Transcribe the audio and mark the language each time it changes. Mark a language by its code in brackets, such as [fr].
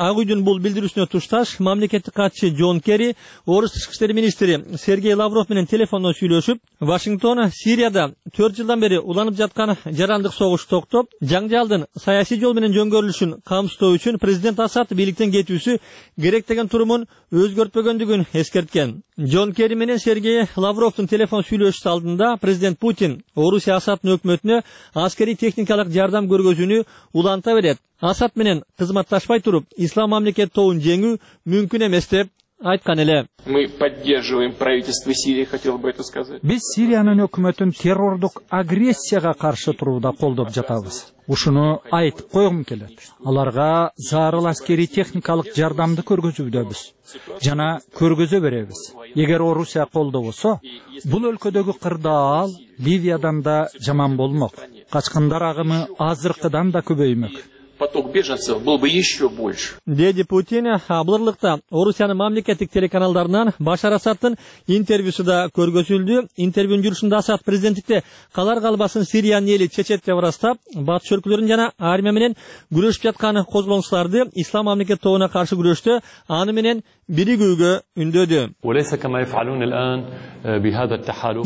[ky] Ак Үйдүн бул билдирүүсүнө тушташ мамлекеттик катчы Джон Керри орус тышкы иштер министри Сергей Лавров менен телефондон сүйлөшүп, Вашингтон Сирияда 4 жылдан бери уланып жаткан жарандык согуш токтоп, жаңжалдын саясий жол менен жөнгөрүлүшүн камсыздоо үчүн президент Асад бийликтен кетүүсү керек деген турумун өзгөртпөгөндүгүн эскерткен. Джон Керри менен Сергей Лавровдун телефон сүйлөшүсү алдында президент Путин Орусия Асадтын өкмөтүнө аскерий техникалык жардам көргөзүүнү уланта берет. Асад менен кызматташпай туруп Ислам мамлекети тобун жеңүү мүмкүн эмес деп айткан эле. [ru] Мы поддерживаем правительство Сирии, хотел бы это сказать. [ky] Биз Сириянын өкмөтүн террордук агрессияга каршы турууда колдоп жатабыз. Ушуну айтып койгум келет. Аларга зарыл аскерий техникалык жардамды көргөзүүдөбүз жана көргөзө беребиз. Эгер Орусия колдобосо, бул өлкөдөгү кырдаал Ливиядан да жаман болмок. Качкындар агымы азыркыдан да көбөймөк. [ru] поток беженцев был бы еще больше. [ky] Деди Путин, Абларлыкта, Орусияны мамлекеттик телеканалдарынан Башар Асаттын интервьюсу да көргөзүлдү. Интервьюнун жүрүшүндө Асад президенттикте калар калбасын Сириянын эли чечет деп ырастап, батыш өлкөлөрүн жана армия менен күрөшүп жатканы козголоңчуларды ислам мамлекет тобуна каршы күрөштө аны менен биригүүгө үндөдү.